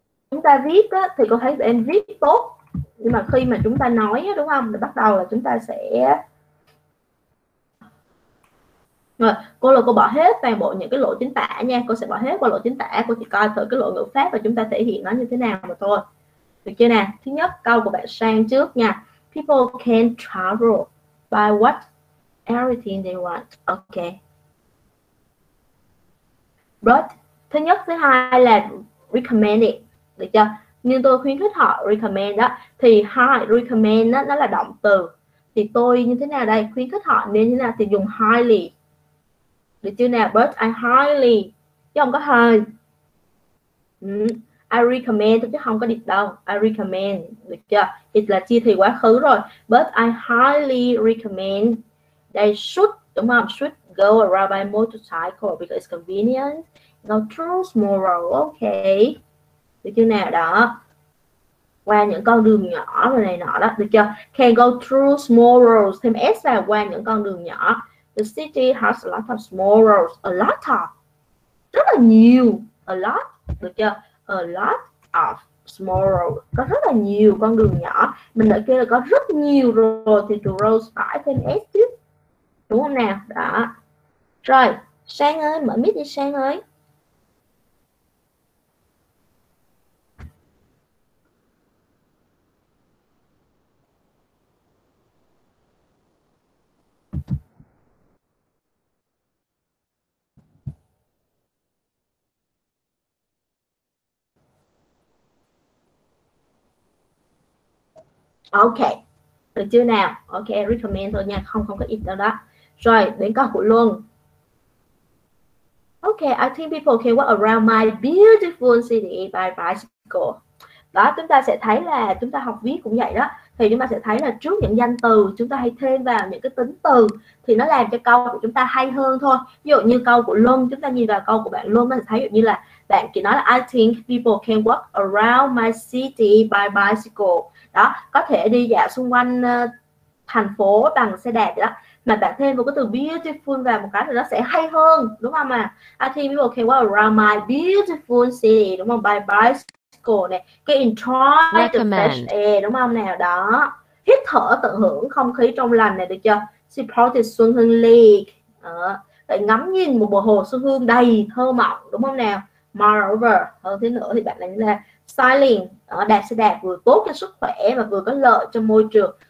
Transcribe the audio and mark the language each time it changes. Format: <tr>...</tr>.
<vi>Chúng ta viết á, thì cô thấy em viết tốt, nhưng mà khi mà chúng ta nói á, đúng không, thì bắt đầu là chúng ta sẽ rồi, cô là cô bỏ hết toàn bộ những cái lỗi chính tả nha, cô sẽ bỏ hết qua lỗi chính tả, cô chỉ coi thử cái lỗi ngữ pháp và chúng ta thể hiện nó như thế nào mà thôi, được chưa nè. Thứ nhất, câu của bạn Sang trước nha.</vi> <en>People can travel by what everything they want.</en> <vi>Ok, but thứ nhất, thứ hai là recommended, được chưa? Nhưng tôi khuyến khích họ recommend đó, thì highly recommend đó, nó là động từ, thì tôi như thế nào đây, khuyến khích họ nên như thế nào thì dùng highly, được chưa nào?</vi> <en>But I highly</en> <vi>chứ không có hơi.</vi> <en>I recommend</en> <vi>chứ không có định đâu. I recommend, được chưa? It là chia thì quá khứ rồi.</vi> <en>But I highly recommend they should, đúng không? Should go around by motorcycle because it's convenient. No trolls more, okay.</en> <vi>Được chưa nào đó? Qua những con đường nhỏ rồi này nọ đó, được chưa?</vi> <en>Can go through small roads,</en> <vi>thêm S là qua những con đường nhỏ.</vi> <en>The city has a lot of small roads, a lot of,</en> <vi>rất là nhiều,</vi> <en>a lot,</en> <vi>được chưa?</vi> <en>A lot of small roads,</en> <vi>có rất là nhiều con đường nhỏ. Mình đã kêu là có rất nhiều rồi thì từ roads phải thêm S chứ, đúng không nào? Đó. Rồi, Sang ơi, mở mic đi Sang ơi. Ok, được chưa nào? Ok, recommend thôi nha, không không có ít đâu đó. Rồi, đến câu của Luân.</vi> <en>Ok, I think people can walk around my beautiful city by bicycle.</en> <vi>Đó, chúng ta sẽ thấy là, chúng ta học viết cũng vậy đó. Thì chúng ta sẽ thấy là trước những danh từ, chúng ta hay thêm vào những cái tính từ. Thì nó làm cho câu của chúng ta hay hơn thôi. Ví dụ như câu của Luân, chúng ta nhìn vào câu của bạn Luân, chúng ta thấy như là bạn chỉ nói là</vi> <en>I think people can walk around my city by bicycle.</en> <vi>Đó, có thể đi dạo xung quanh thành phố bằng xe đạp đó. Mà bạn thêm một cái từ beautiful vào một cái thì nó sẽ hay hơn, đúng không ạ? À?</vi> <en>I think people can walk around my beautiful city, đúng không? By bicycle này.</en> <vi>Cái</vi> <en>enjoy the fresh air,</en> <vi>đúng không nào? Đó. Hít thở tận hưởng không khí trong lành này, được chưa? Supported Xuân Hương Lake. Đó. Phải ngắm nhìn một bờ hồ Xuân Hương đầy thơ mộng, đúng không nào? Moreover, hơn thế nữa thì bạn lại là styling, đạp xe đạp vừa tốt cho sức khỏe và vừa có lợi cho môi trường.</vi>